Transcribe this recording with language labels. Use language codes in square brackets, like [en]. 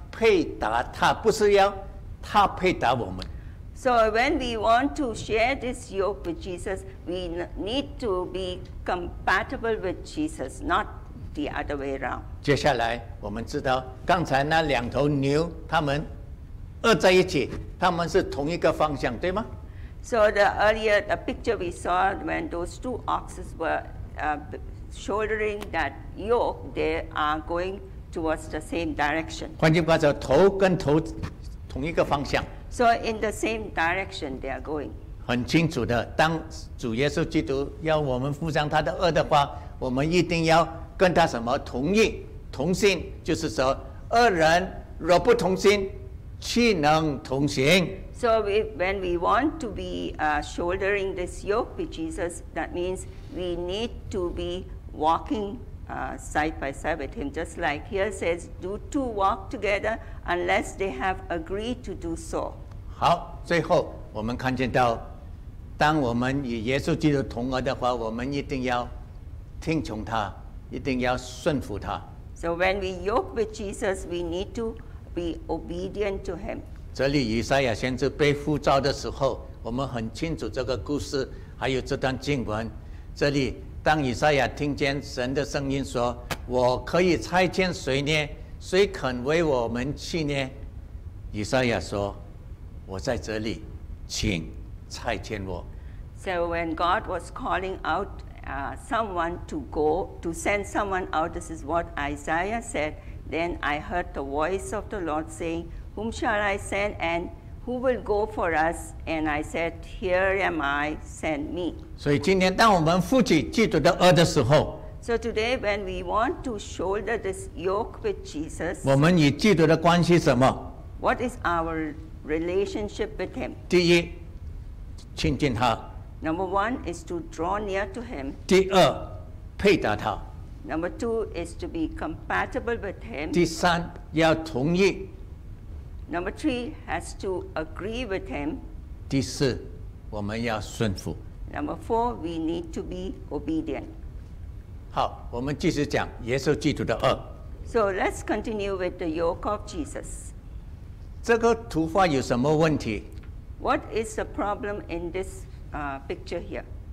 [zh] 所以今天如果我们要与主耶稣基督同轭的话，我们一定要配搭他，不是要他配搭我们。 [en] So when we want to share this yoke with Jesus, we need to be compatible with Jesus, not the other way around. [zh] 接下来我们知道刚才那两头牛，他们轭在一起，他们是同一个方向，对吗？ [en] So the earlier the picture we saw when those two oxes were shouldering that yoke, they are going towards the same direction. [zh] 换句话说，头跟头同一个方向。 [en] So in the same direction they are going. [zh] 很清楚的，当主耶稣基督要我们负上他的轭的话，我们一定要跟他什么同意同心，就是说二人若不同心，岂能同行。 [en] So when we want to be shouldering this yoke with Jesus, that means we need to be walking side by side with him. Just like here says, do two walk together unless they have agreed to do so. [zh] 好，最后我们看见到，当我们与耶稣基督同儿的话，我们一定要听从他，一定要顺服他。 [en] So when we yoke with Jesus, we need to be obedient to him. [zh] 这里以赛亚先知被呼召的时候，我们很清楚这个故事，还有这段经文。这里当以赛亚听见神的声音说：“我可以差遣谁呢？谁肯为我们去呢？” 以赛亚说：“我在这里，请差遣我。” [en] So when God was calling out someone to go to send someone out, this is what Isaiah said. Then I heard the voice of the Lord saying. Whom shall I send and who will go for us? And I said, Here am I, send me. [zh] 所以今天当我们负起基督的轭的时候， [en] So today when we want to shoulder this yoke with Jesus, [zh] 我们与基督的关系什么？ [en] What is our relationship with him? [zh] 第一，亲近他。 [en] Number one is to draw near to him. [zh] 第二，配搭他。 [en] Number two is to be compatible with him. [zh] 第三，要同意。 [en] Number three has to agree with him. [zh] 第四，我们要顺服。 [en] Number four, we need to be obedient. [zh] 好，我们继续讲耶稣基督的轭。 [en] So let's continue with the yoke of Jesus. [zh] 这个图画有什么问题？ [en] What is the problem in this picture here?